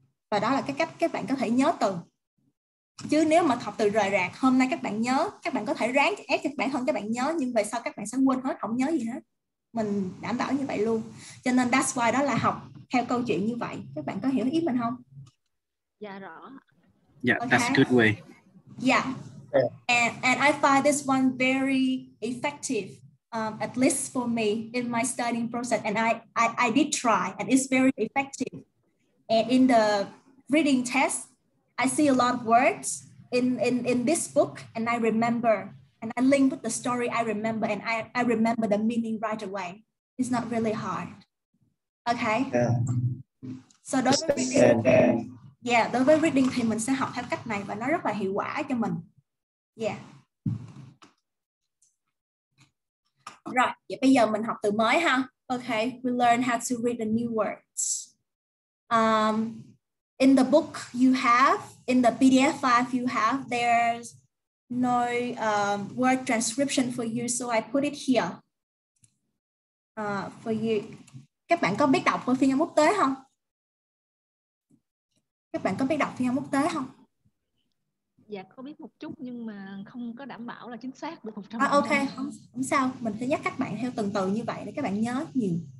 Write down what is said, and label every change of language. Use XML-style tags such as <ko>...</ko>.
<vi>Và đó là cái cách các bạn có thể nhớ từ. Chứ nếu mà học từ rời rạc, hôm nay các bạn nhớ, các bạn có thể ráng ép cho bản thân các bạn nhớ, nhưng về sau các bạn sẽ quên hết, không nhớ gì hết. Mình đảm bảo như vậy luôn. Cho nên</vi> <en>that's why</en> <vi>đó là học theo câu chuyện như vậy. Các bạn có hiểu ý mình không? Dạ rõ.</vi> <en>Yeah, okay. That's a good way. Yeah. And I find this one very effective, at least for me in my studying process. And I did try, and it's very effective. And in the reading test, I see a lot of words in this book, and I remember, and I link with the story. I remember, and I remember the meaning right away. It's not really hard. Okay. Yeah.</en> <vi>So đối với reading, yeah, đối với reading thì mình sẽ học theo cách này và nó rất là hiệu quả cho mình. Yeah. Right. Vậy bây giờ mình học từ mới ha.</vi> <en>Okay. We learn how to read the new words. In the book you have, in the PDF file you have, there's no word transcription for you, so I put it here for you.</en> <vi>Các bạn có biết đọc qua phiên âm quốc tế không? Các bạn có biết đọc phiên âm quốc tế không? Dạ, có biết một chút nhưng mà không có đảm bảo là chính xác được 100%. Ok, không sao. Mình sẽ nhắc các bạn theo từng từ như vậy để các bạn nhớ nhiều.</vi>